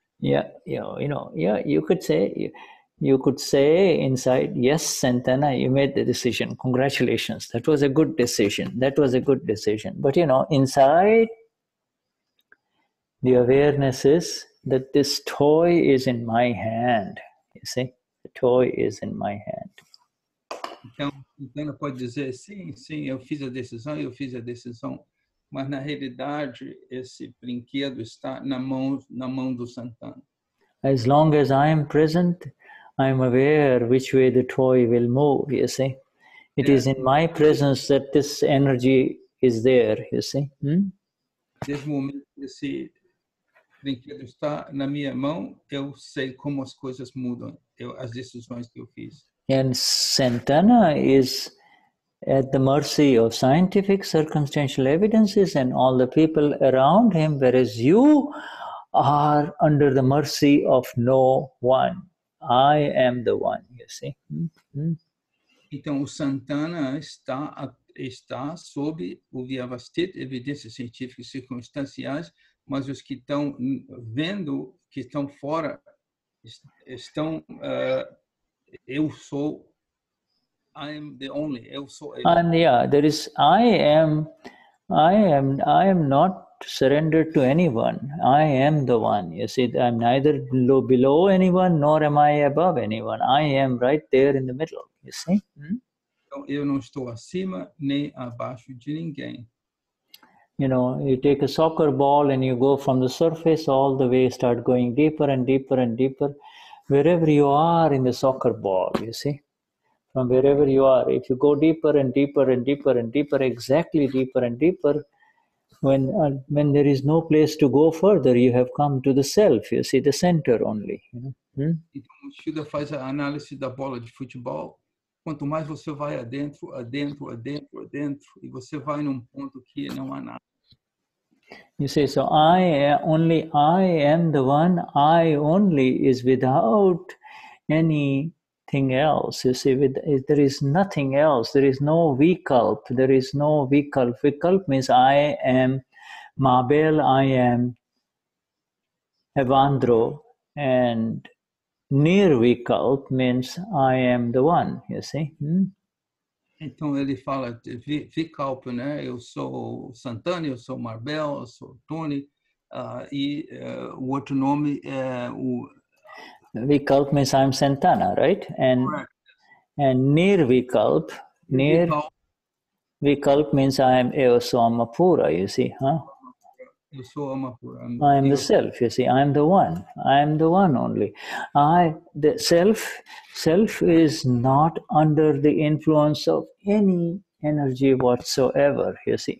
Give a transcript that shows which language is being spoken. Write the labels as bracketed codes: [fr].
[en] Yeah, you could say inside, yes, Santana, you made the decision. Congratulations. That was a good decision. That was a good decision. But, you know, inside, the awareness is that this toy is in my hand. You see? The toy is in my hand. [pt] Então, Santana pode dizer, sim, eu fiz a decisão. Mas, na realidade, esse brinquedo está na mão do Santana. [en] As long as I am present, I am aware which way the toy will move, you see? It is in my presence that this energy is there, you see? [pt] Desde o momento que esse brinquedo está na minha mão, eu sei como as coisas mudam, as decisões que eu fiz. [en] And Santana is at the mercy of scientific circumstantial evidences and all the people around him, whereas you are under the mercy of no one. I am the one, you see. [pt] Então o Santana está sob o Vyavastit, evidências científicas circunstanciais, mas os que estão vendo, que estão fora, estão eu sou. [en] I am the only. [pt] Eu sou. [en] And yeah, there is I am not surrendered to anyone. I am the one. You see, I'm neither below anyone nor am I above anyone. I am right there in the middle. You see? [pt] Então, eu não estou acima nem abaixo de ninguém. [en] You know, you take a soccer ball and you go from the surface all the way, start going deeper and deeper and deeper. Wherever you are in the soccer ball, you see? From wherever you are, if you go deeper and deeper and deeper and deeper, exactly deeper and deeper, when there is no place to go further, you have come to the self, you see, the center only. [pt] O Shuddha faz a análise da bola de futebol. Quanto mais você vai adentro, adentro, adentro, adentro, e você vai num ponto que não há nada. [en] You say, so I only, I am the one, I only is without any thing else, you see, there is nothing else, there is no vikalp, there is no vikalp. Vikalp means I am Mabel, I am Evandro, and near vikalp means I am the one, you see. [pt] Então ele fala de vikalp, né? Eu sou Santana, eu sou Mabel, eu sou Tony, e o outro nome é [en] Vikalp means I'm Santana, right? And correct. And near Vikalp, near Vikalp means I am Eoso Amapura, you see, huh? Eoso Amapura. I am the self, you see. I am the one. I am the one only. I, the self, self is not under the influence of any energy whatsoever, you see.